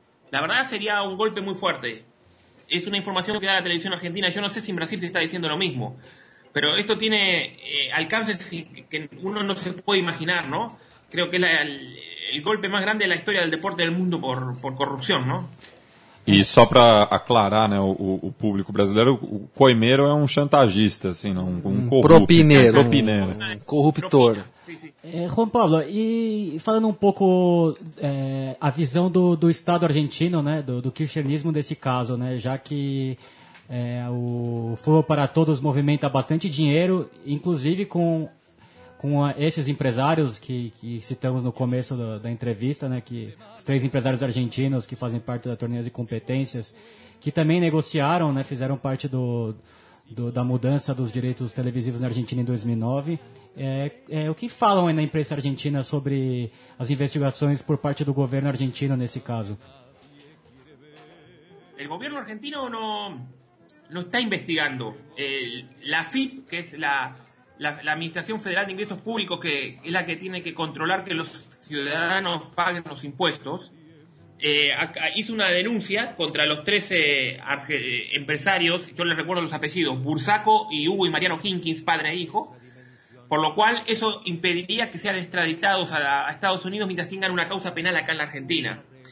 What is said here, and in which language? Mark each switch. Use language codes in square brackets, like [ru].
[es] La verdad sería un golpe muy fuerte. Es una información que da la televisión argentina. Yo no sé si en Brasil se está diciendo lo mismo. Pero esto tiene alcances que uno no se puede imaginar, ¿no? Creo que es el golpe más grande de la historia del deporte del mundo por corrupción, ¿no? [pt] E só para aclarar, né, o público brasileiro, o coimeiro é um chantagista, assim, não, um corrupto. Propineiro. Propineiro. Um corruptor. Juan Pablo, e falando um pouco a visão do Estado argentino, né, do kirchnerismo desse caso, né, já que o Fútbol para Todos movimenta bastante dinheiro, inclusive com esses empresários que citamos no começo da entrevista, né, que os três empresários argentinos que fazem parte da Torneios e Competências, que também negociaram, né, fizeram parte da mudança dos direitos televisivos na Argentina em 2009. O que falam aí na imprensa argentina sobre as investigações por parte do governo argentino nesse caso? O governo argentino não está investigando. [es] A FIP, que é La Administración Federal de Ingresos Públicos, que es la que tiene que controlar que los ciudadanos paguen los impuestos, hizo una denuncia contra los 13 empresarios, yo les recuerdo los apellidos, Bursaco y Hugo y Mariano Hinkins, padre e hijo, por lo cual eso impediría que sean extraditados a Estados Unidos mientras tengan una causa penal acá en la Argentina.